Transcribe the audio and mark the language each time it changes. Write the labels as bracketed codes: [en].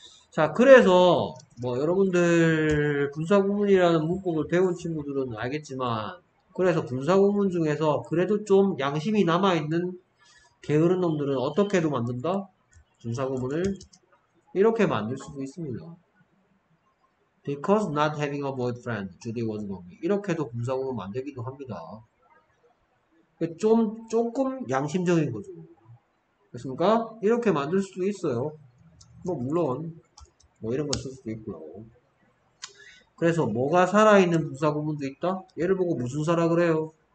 [ko] 자, 그래서 뭐 여러분들 분사구문이라는 문법을 배운 친구들은 알겠지만 그래서 분사구문 중에서 그래도 좀 양심이 남아있는 게으른 놈들은 어떻게도 만든다? 분사구문을 이렇게 만들 수도 있습니다. [en] Because not having a boyfriend, Judy was lonely. [ko] 이렇게도 분사구문 만들기도 합니다. 조금 양심적인 거죠. 그렇습니까? 이렇게 만들 수도 있어요. 뭐, 물론, 뭐, 이런 거쓸 수도 있고요. 그래서, 뭐가 살아있는 분사구문도 있다? 얘를 보고 무슨 사라 그래요?